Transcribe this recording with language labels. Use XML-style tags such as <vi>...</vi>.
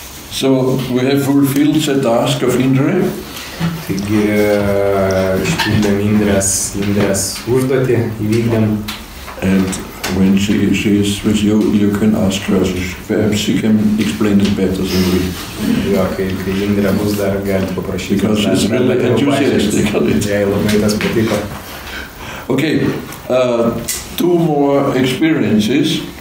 <en>So we have fulfilled the task of Indre.</en> <lt>Taigi išpildėm Indrės užduotį, įvykdėm.</lt> <en>And when she is with you, you can ask her. Perhaps she can explain it better than we. Because she's really enthusiastic on it. Okay, two more experiences.</en>